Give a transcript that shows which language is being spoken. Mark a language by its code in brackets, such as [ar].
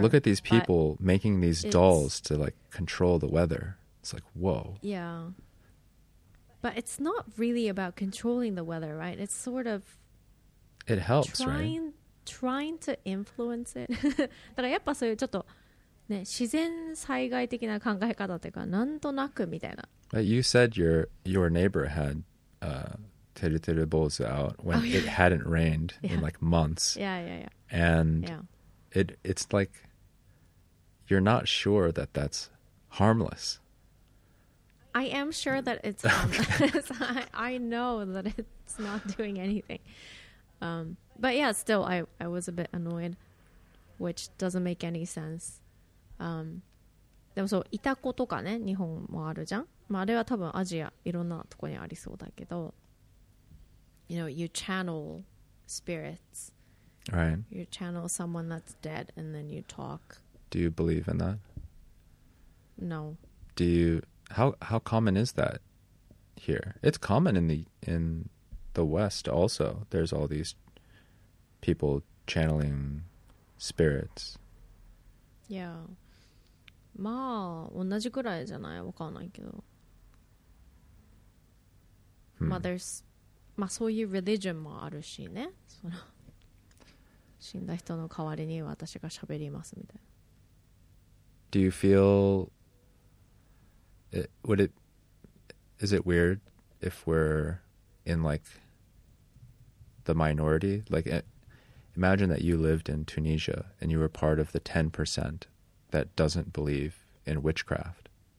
[en] Like, look at these people making these dolls to, like, control the weather. It's like, whoa. Yeah. But it's not really about controlling the weather, right? It's sort of... It helps, right? Trying to influence it. [ja] だからやっぱそういうちょっとね、自然災害的な考え方というか、なんとなくみたいな。 [en] But you said your neighbor had... Teruteru Bozu out when it hadn't rained in like months. Yeah. And it's like you're not sure that that's harmless. I am sure that it's harmless. I know that it's not doing anything. But yeah, still, I was a bit annoyed, which doesn't make any sense. [ja] でもそう、イタコとかね、日本もあるじゃん。まあ、あれは多分アジア、いろんなとこにありそうだけど。 [en] You know, you channel spirits. Right. You channel someone that's dead and then you talk. Do you believe in that? No. Do you... How common is that here? It's common in the West also. There's all these people channeling spirits. Yeah. [ja] まあ、同じくらいじゃない？わかんないけど。 [en] Mother's... [ja] まあそういうリリジョンもあるしね、その死んだ人の代わりに私が喋りますみたいな。 [en] Do you feel it, would it, is it weird if we're in like the minority? Like imagine that you lived in Tunisia and you were part of the 10% that doesn't believe in witchcraft.